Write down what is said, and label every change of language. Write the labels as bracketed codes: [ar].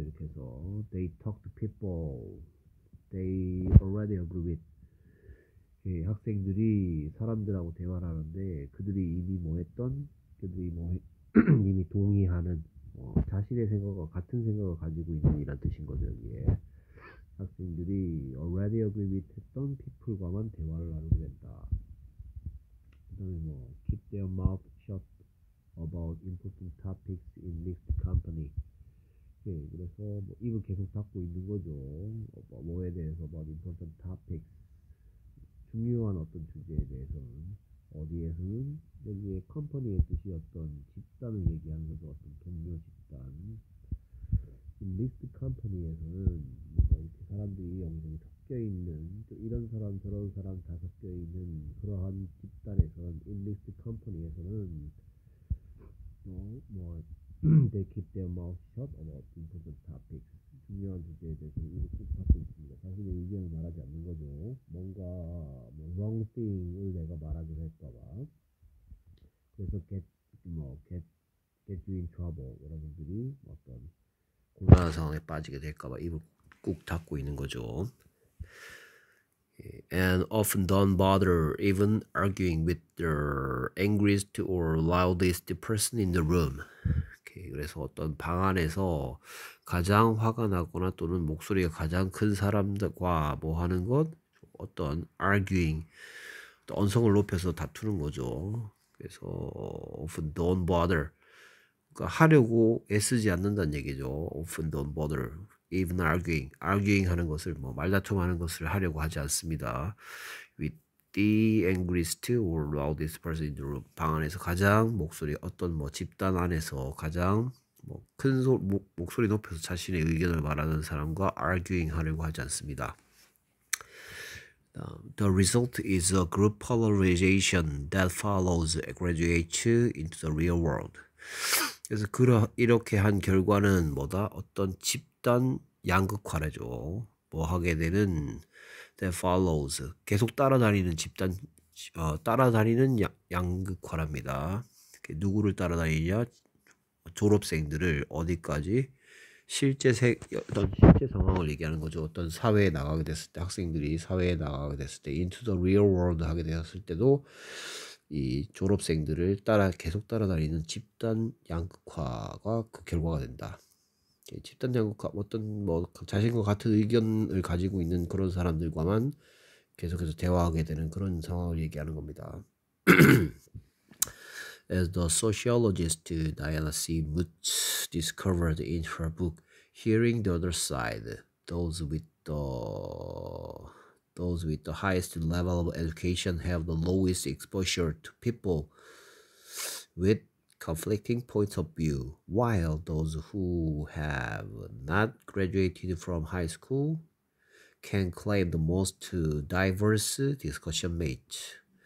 [ko] 이렇게 해서 [en] they talk to people they already agree with. [ko] 학생들이 사람들하고 대화를 하는데 그들이 이미 뭐 했던 그들이 뭐 이미 동의하는 자신의 생각과 같은 생각을 가지고 있는 이란 뜻인 거죠. 여기에 학생들이 [en] already agree with [ko] 했던 people과만 대화를 나누게 된다. 그다음에 뭐 [en] keep their mouth shut about important topics in mixed company. [ko] 그래서 뭐 입을 계속 닫고 있는 거죠. 뭐에 대해서 [en] about important topics [ko] 중요한 어떤 주제에 대해서는 어디에서는 여기에 company의 뜻이 어떤 집단을 얘기하는 거죠. 어떤 동료 집단 mixed company에서는 뭔가 이렇게 사람들이 영성이 섞여 있는 또 이런 사람 저런 사람 다 섞여 있는 그러한 집단에서는 [en] in mixed company [ko] 에서는 뭐, [en] they keep their mouth shut about important topics. [ko] 중요한 주제에 대해서 입을 꼭 닫고 있습니다. 자신의 의견을 말하지 않는 거죠. 뭔가, 뭐, [en] wrong thing [ko] 을 내가 말하기로 했다가. 그래서 [en] get you in trouble. [ko] 여러분들이 어떤 곤란한 상황에 빠지게 될까봐 입을 꾹 닫고 있는 거죠. [en] And often don't bother even arguing with the angriest or loudest person in the room. [ko] Okay, 그래서 어떤 방 안에서 가장 화가 나거나 또는 목소리가 가장 큰 사람들과 뭐 하는 것? 어떤 arguing, 또 언성을 높여서 다투는 거죠. 그래서 [en] often don't bother. [ko] 그러니까 하려고 애쓰지 않는다는 얘기죠. [en] Often don't bother. Even arguing [ko] 하는 것을 뭐 말다툼하는 것을 하려고 하지 않습니다. [en] With the angriest or loudest person in the room, [ko] 방 안에서 가장 목소리 어떤 뭐 집단 안에서 가장 뭐큰소 목소리 높여서 자신의 의견을 말하는 사람과 arguing 하려고 하지 않습니다. [en] The result is a group polarization that follows graduates into the real world. [ko] 그래서 이렇게 한 결과는 뭐다? 어떤 집단 양극화래죠. 뭐 하게 되는 [en] that follows [ko] 계속 따라다니는 집단 따라다니는 양극화랍니다. 누구를 따라다니냐? 졸업생들을 어디까지 어떤 실제 상황을 얘기하는 거죠. 어떤 사회에 나가게 됐을 때 학생들이 사회에 나가게 됐을 때 [en] into the real world [ko] 하게 되었을 때도 이 졸업생들을 계속 따라다니는 집단 양극화가 그 결과가 된다. 집단장국과 어떤 뭐 자신과 같은 의견을 가지고 있는 그런 사람들과만 계속해서 대화하게 되는 그런 상황을 얘기하는 겁니다. [en] As the sociologist Diana C. Mutz discovered in her book Hearing the Other Side, those with the highest level of education have the lowest exposure to people with conflicting points of view, while those who have not graduated from high school can claim the most diverse discussion mates.